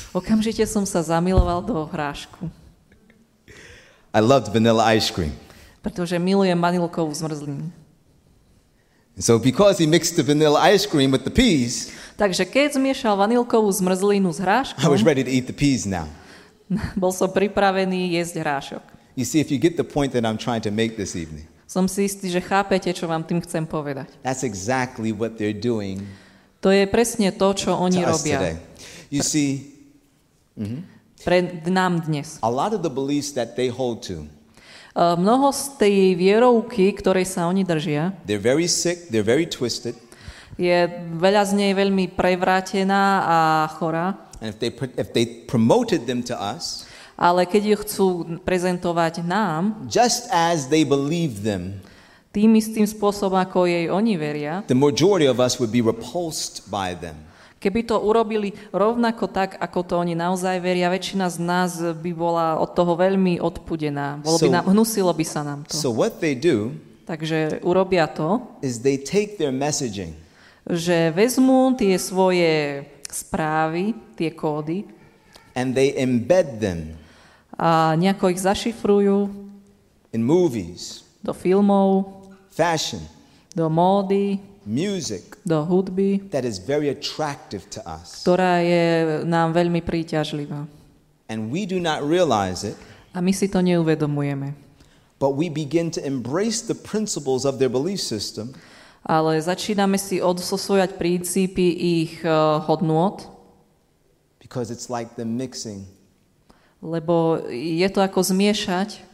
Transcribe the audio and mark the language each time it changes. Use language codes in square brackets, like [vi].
[sk] Okamžite som sa zamiloval do hrášku. [en] I loved vanilla ice cream. [sk] Pretože milujem vanilkovú zmrzlinu. [en] So because he mixed the vanilla ice cream with the peas. [sk] Takže keď zmiešal vanilkovú zmrzlinu s hráškom. [en] I was ready to eat the peas now. [sk] Bol som pripravený jesť hrášok. [en] You see, if you get the point that I'm trying to make this evening. [sk] Som si istý, že chápete, čo vám tým chcem povedať. [en] That's exactly what they're doing. [sk] To je presne to, čo oni robia. [en] You see, [sk] pre nám dnes. [en] A lot of the beliefs that they hold to. [sk] Mnoho z tej vierovky, ktorej sa oni držia. [en] They're very sick, they're very twisted. [sk] Je veľa z nej veľmi prevrátená a chorá. [en] And if they promoted them to us. [sk] Ale keď ju chcú prezentovať nám, [en] just as they believe them, [sk] tým istým spôsobom, ako jej oni veria, [en] the majority of us would be repulsed by them. [sk] Keby to urobili rovnako tak, ako to oni naozaj veria, väčšina z nás by bola od toho veľmi odpudená. Bolo by nám, hnusilo by sa nám to. [en] So what they do, [sk] takže urobia to, [en] is they take their messaging, [sk] že vezmú tie svoje správy, tie kódy, [en] and they embed them. [sk] A nejako ich zašifrujú. [en] In movies. [sk] Do filmov. [en] Fashion. [sk] Do módy. [en] Music. [sk] Do hudby. [en] That is very attractive to us. [sk] Ktorá je nám veľmi príťažlivá. [en] And we do not realize it. [sk] A my si to neuvedomujeme. [en] But we begin to embrace the principles of their belief system. [sk] Ale začíname si odsosovať princípy ich hodnôt. [en] Because it's like the mixing. [sk] Lebo je to ako zmiešať